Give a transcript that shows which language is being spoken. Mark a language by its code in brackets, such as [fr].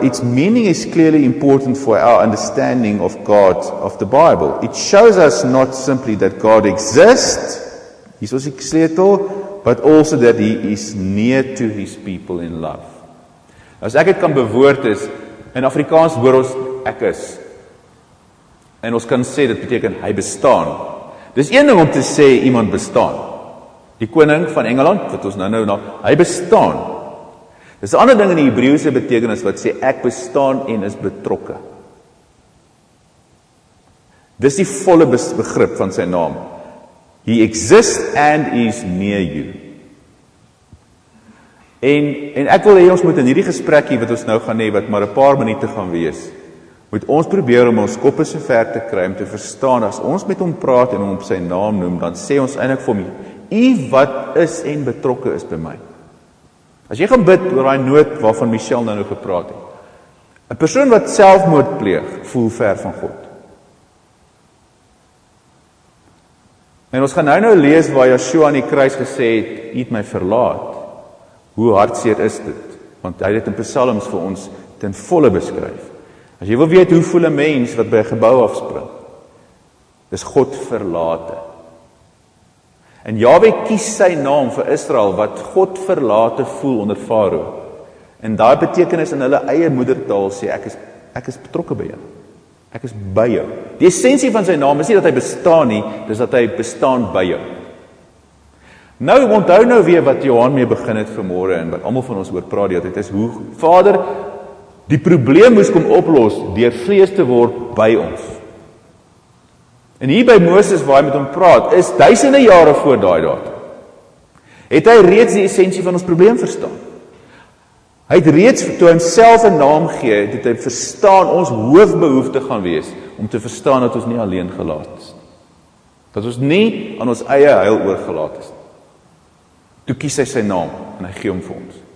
[en] Its meaning is clearly important for our understanding of God, of the Bible. It shows us not simply that God exists, [af] hier is die sleutel, [en] but also that he is near to his people in love. [af] As ek het kan bewoord is, in Afrikaans hoor ons, ek is. En ons kan sê, dit beteken, hy bestaan. Dis een ding om te sê, iemand bestaan. Die koning van Engeland, wat ons nou na, hy bestaan. Dis 'n ander ding in die Hebreëse betekenis wat sê, ek bestaan en is betrokke. Dis die volle begrip van sy naam. [en] He exists and is near you. [af] En ek wil hê ons moet in hierdie gesprekkie wat ons nou gaan hê, wat maar 'n paar minute gaan wees, moet ons probeer om ons koppe so ver te kry om te verstaan, as ons met hom praat en hom op sy naam noem, dan sê ons eintlik vir hom, U wat is en betrokke is by my. As jy gaan bid oor daai nood waarvan Michelle nou gepraat het. 'N Persoon wat selfmoord pleeg, voel ver van God. En ons gaan nou lees waar Yeshua aan die kruis gesê het, U het my verlaat. Hoe hartseer is dit? Want hy het dit in Psalms vir ons ten volle beskryf. As jy wil weet hoe voel 'n mens wat by 'n gebou afspring, dis God verlate. En Yahweh kies sy naam vir Israel wat God verlate voel onder Farao. En daai betekenis in hulle eie moedertaal sê ek is betrokke by jou. Ek is by jou. Die essensie van sy naam is nie dat hy bestaan nie, dis dat hy bestaan by jou. Nou onthou nou weer wat Johan mee begin het vanmôre en wat almal van ons oor praat die altyd is hoe Vader die probleem moes kom oplos deur vrees te word by ons. En hier by Moses waar hy met hom praat, is duisende jare voor daai datum. Het hy reeds die essensie van ons probleem verstaan? Hy het reeds toe homself 'n naam gee, het hy verstaan ons hoofbehoefte gaan wees om te verstaan dat ons nie alleen gelaat is. Dat ons nie aan ons eie heil oorgelaat is. Toe kies hy sy naam en hy gee hom vir ons.